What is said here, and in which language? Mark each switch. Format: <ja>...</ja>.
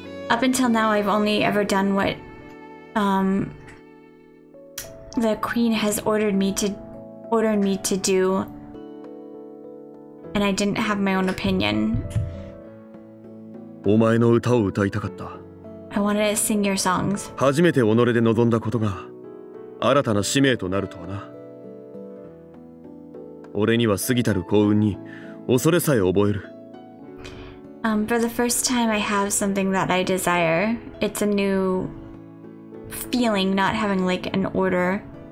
<en>Up until now, I've only ever done what the Queen has ordered me to do, and I didn't have my own opinion.</en> <ja>お前の歌を歌いたかった。</ja> <en>I wanted to sing your songs.</en> <ja>初めて己で望んだことが新たな使命となるとはな。俺には過ぎたる幸運に恐れさえ覚える。</ja> <en>For the first time, I have something that I desire. It's a new feeling, not having like an order.</en>